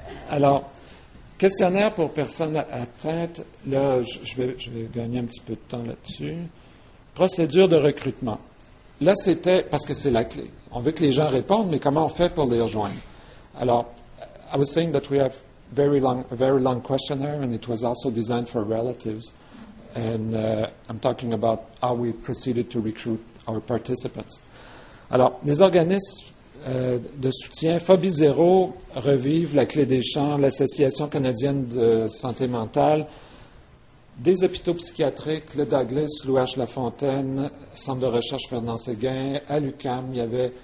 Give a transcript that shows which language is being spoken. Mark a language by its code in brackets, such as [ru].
[fr] Alors, questionnaire pour personnes atteintes. Là, je vais gagner un petit peu de temps là-dessus. Procédure de recrutement. Là, c'était, parce que c'est la clé. On veut que les gens répondent, mais comment on fait pour les rejoindre? [en] Alors, I was saying that we have a very long questionnaire, and it was also designed for relatives. And I'm talking about how we proceeded to recruit our participants. [fr] Alors, les organismes de soutien, Phobie Zéro, Revive, La Clé des Champs, l'Association canadienne de santé mentale, des hôpitaux psychiatriques, le Douglas, Louis H. Lafontaine, Centre de recherche Fernand Séguin, à l'UQAM, il y avait...